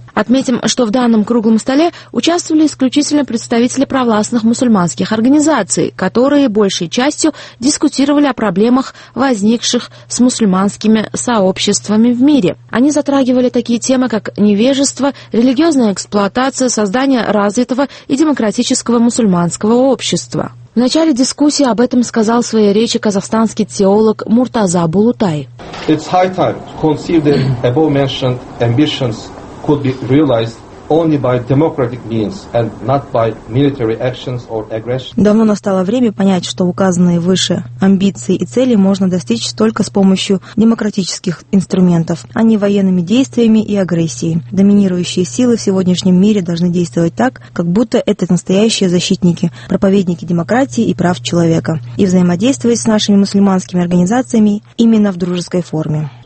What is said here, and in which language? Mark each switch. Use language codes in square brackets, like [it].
[ru] Отметим, что в данном круглом столе участвовали исключительно представители провластных мусульманских организаций, которые большей частью дискутировали о проблемах, возникших с мусульманскими сообществами в мире. Они затрагивали такие темы, как невежество, религиозная эксплуатация, создание развитого и демократического мусульманского общества. В начале дискуссии об этом сказал в своей речи казахстанский теолог Муртаза Булутай. [en] It's high time to conceive the above-mentioned ambitions could be realized only by democratic means and not by military actions or aggression. [ru] Давно настало время понять, что указанные выше амбиции и цели можно достичь только с помощью демократических инструментов, а не военными действиями и агрессией. Доминирующие силы в сегодняшнем мире должны действовать так, как будто это настоящие защитники, проповедники демократии и прав человека, и взаимодействовать с нашими мусульманскими организациями именно в дружеской форме.